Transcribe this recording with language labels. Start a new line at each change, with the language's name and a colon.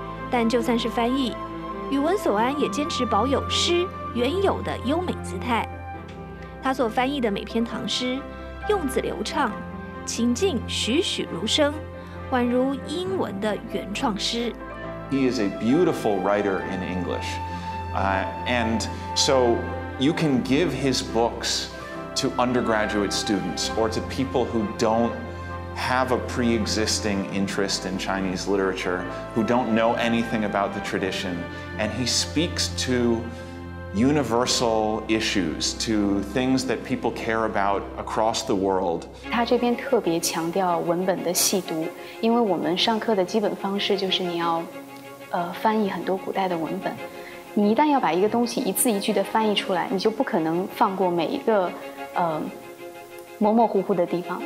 Chinese: 但就算是翻译，余文索安也坚持保有诗原有的优美姿态。他所翻译的每篇唐诗，用字流畅，情境栩栩如生，宛如英文的原创诗。
English: He is a beautiful writer in English, and so you can give his books to undergraduate students or to people who don't have a pre-existing interest in Chinese literature, who don't know anything about the tradition, and he speaks to. Universal issues to things that people care about across the world.
Chinese: 他这边特别强调文本的细读，因为我们上课的基本方式就是你要，翻译很多古代的文本。你一旦要把一个东西一字一句的翻译出来，你就不可能放过每一个，模模糊糊的地方。